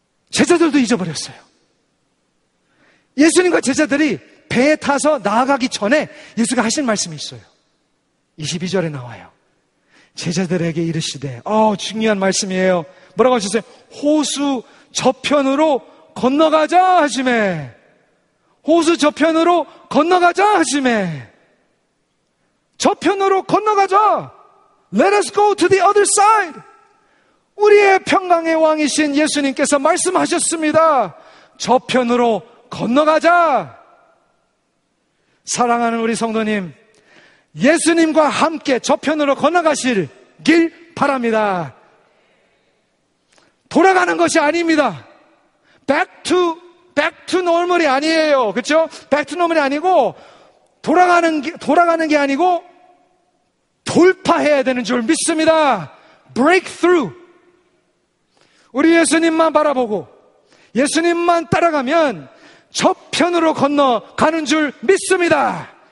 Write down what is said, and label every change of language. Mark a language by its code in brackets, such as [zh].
[ko] 제자들도 잊어버렸어요. 예수님과 제자들이 배에 타서 나아가기 전에 예수가 하신 말씀이 있어요. 22절에 나와요. 제자들에게 이르시되 중요한 말씀이에요. 뭐라고 하셨어요? 호수 저편으로 건너가자 하시매. 호수 저편으로 건너가자 하시매. 저편으로 건너가자. [en] Let us go to the other side. [ko] 우리의 평강의 왕이신 예수님께서 말씀하셨습니다. 저편으로 건너가자. 사랑하는 우리 성도님, 예수님과 함께 저편으로 건너가시길 바랍니다. 돌아가는 것이 아닙니다. [en] Back to normal [ko] 이 아니에요. 그렇죠? [en] Back to normal [ko] 이 아니고 돌아가는 게 아니고 돌파해야 되는 줄 믿습니다. [en] Breakthrough. [ko] 우리 예수님만 바라보고 예수님만 따라가면 저편으로 건너가는 줄 믿습니다.